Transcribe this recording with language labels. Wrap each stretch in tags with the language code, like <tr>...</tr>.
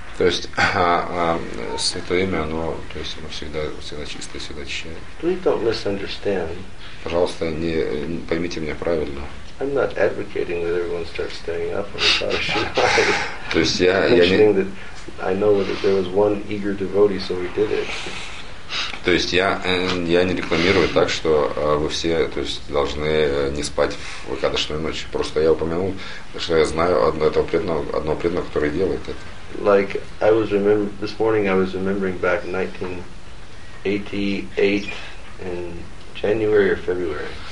<ru>То есть святое имя, оно, то есть оно всегда чистое, всегда чистое.</ru> <en>Please don't misunderstand.</en> <ru>Пожалуйста, не поймите меня правильно.</ru> <en>I'm not advocating that everyone starts standing up on the Kadashi night.</en> <ru>То есть я не.</ru> <en>Mentioning that I know that there was one eager devotee, so we did it.</en> <ru>То есть я не рекламирую так, что вы все, то есть должны не спать в Кадашную ночь. Просто я упомянул, что я знаю одного преданного, который делает это.</ru> <en>Like I was this morning I was remembering back 1988 in January or February.</en>